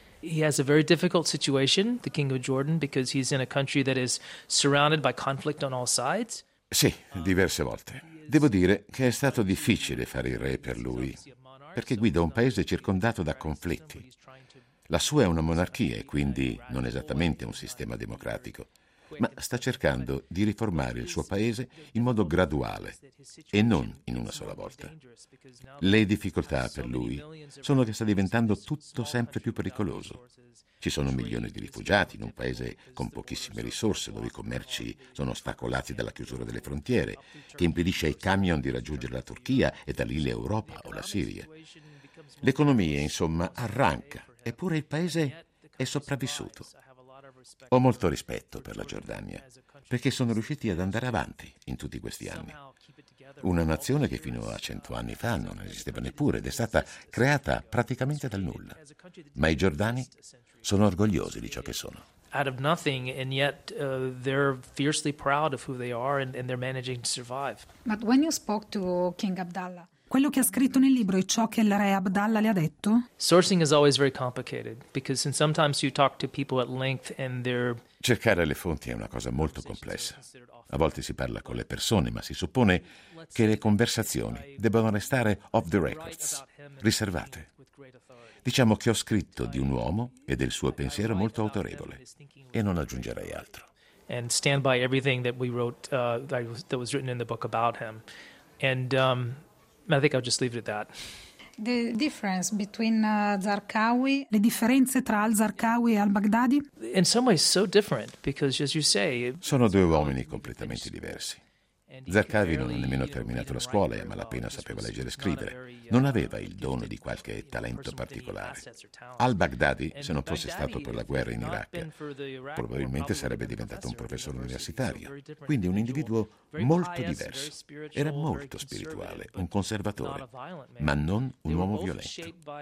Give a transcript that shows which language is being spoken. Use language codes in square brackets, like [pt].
[en] E he has a very difficult situation, the King of Jordan, because he's in a country that is surrounded by conflict on all sides. [it] Sì, diverse volte. Devo dire che è stato difficile fare il re per lui, perché guida un paese circondato da conflitti. La sua è una monarchia e quindi non esattamente un sistema democratico, ma sta cercando di riformare il suo paese in modo graduale e non in una sola volta. Le difficoltà per lui sono che sta diventando tutto sempre più pericoloso. Ci sono milioni di rifugiati in un paese con pochissime risorse, dove i commerci sono ostacolati dalla chiusura delle frontiere, che impedisce ai camion di raggiungere la Turchia e da lì l'Europa o la Siria. L'economia, insomma, arranca, eppure il paese è sopravvissuto. Ho molto rispetto per la Giordania, perché sono riusciti ad andare avanti in tutti questi anni. Una nazione che fino a 100 anni fa non esisteva neppure ed è stata creata praticamente dal nulla. Ma i giordani sono orgogliosi di ciò che sono. [en] Out of nothing, and yet they're fiercely proud of who they are, and they're managing to survive. But when you spoke to King Abdullah, [it] quello che ha scritto nel libro è ciò che il re Abdallah le ha detto? [en] Sourcing is always very complicated, because sometimes you talk to people at length and they're... [it] Cercare le fonti è una cosa molto complessa. A volte si parla con le persone, ma si suppone che le conversazioni debbano restare off the records, riservate. Diciamo che ho scritto di un uomo e del suo pensiero molto autorevole, e non aggiungerei altro. [en] And stand by everything that we wrote, that was written in the book about him. And I think I'll just leave it at that. The difference between Zarqawi, [it] le differenze tra al-Zarqawi e al-Baghdadi? [en] In some ways so different, because as you say... [it] Sono due uomini completamente diversi. Zarqawi non ha nemmeno terminato la scuola e a malapena sapeva leggere e scrivere. Non aveva il dono di qualche talento particolare. Al-Baghdadi, se non fosse stato per la guerra in Iraq, probabilmente sarebbe diventato un professore universitario. Quindi un individuo molto diverso. Era molto spirituale, un conservatore, ma non un uomo violento.